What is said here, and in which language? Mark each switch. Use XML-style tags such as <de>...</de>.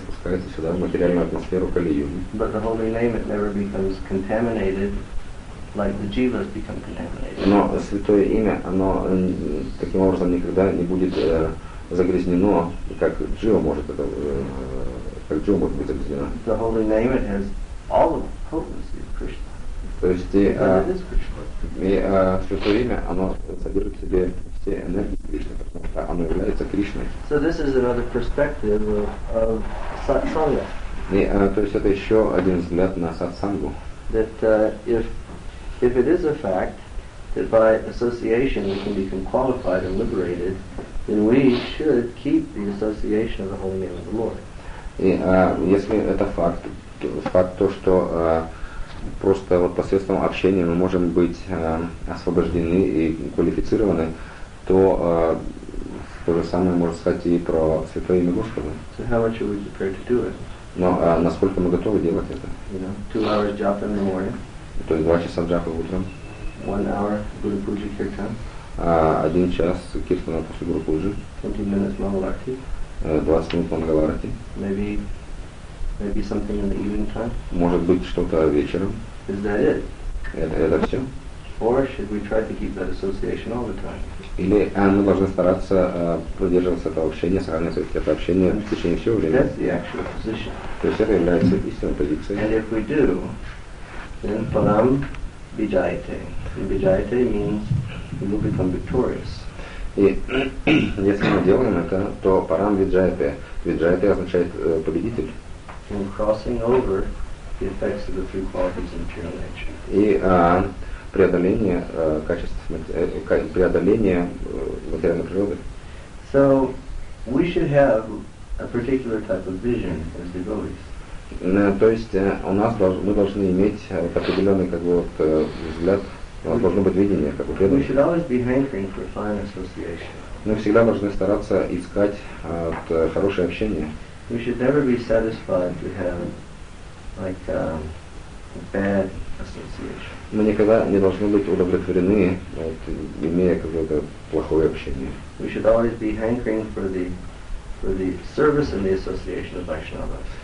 <en>But the holy name, it never becomes contaminated like the jivas become contaminated.</en> <ru>Но святое имя, оно таким образом никогда не будет загрязнено, как джива может быть загрязнена.</ru> <en>The holy name, it has all of the potency of Krishna.</en> <ru>То есть, Святое имя, оно содержит в себе все энергии Кришны, потому что оно является Кришной.</ru> <en>So this is another perspective of satsanga.</en> <ru>Это еще один взгляд на сатсангу.</ru> <en>That if it is a fact that by association we can become qualified and liberated, then we should keep the association of the holy name of the Lord.</en> <ru>И если это факт, факт то, что просто вот посредством общения мы можем быть освобождены и квалифицированы, то то же самое можно сказать и про святое имя Господа.</ru> <en>So how much are we prepared to do it?</en> <ru>Но насколько мы готовы делать это?</ru> <en>You know, 2 hours japa in the morning.</en> <ru>То есть 2 часа джапы утром.</ru> <en>1 hour Guru Puja Kirtan.</en> <ru>1 час киртана после Гуру Пуджи.</ru> <en>20 minutes Mangalarti.</en> <ru>20 минут Мангаларти.</ru> <en>Maybe something in the evening time.</en> <ru>Может быть что-то вечером.</ru> <en>Is that it?</en> <ru>Это все?</ru> <en>Or should we try to keep that association all the time?</en> <ru>Или мы должны стараться придерживаться этого общения, сохранять это общение в течение всего времени.</ru> <en>That's the actual position.</en> <ru>То есть это является истинной позицией.</ru> <en>And if we do, then param vijayate. Vijayate means we will become victorious.</en> <ru>И если мы делаем это, то парам виджайте. Виджайте означает победитель.</ru> <en>And crossing over the effects of the three qualities of material nature.</en> <ru>И преодоление качеств, преодоление материальной природы.</ru> <en>So we should have a particular type of vision as devotees.</en> <ru>То есть у нас мы должны иметь определенный как бы вот взгляд. У нас должно быть видение, как у преданных.</ru> <en>We should always be hankering for fine association.</en> <ru>Мы всегда должны стараться искать хорошее общение.</ru> <en>We should never be satisfied to have like bad association.</en> <ru>Мы никогда не должны быть удовлетворены, имея какое-то плохое общение.</ru> <en>We should always be hankering for the service and the association of Vaishnavas.</en>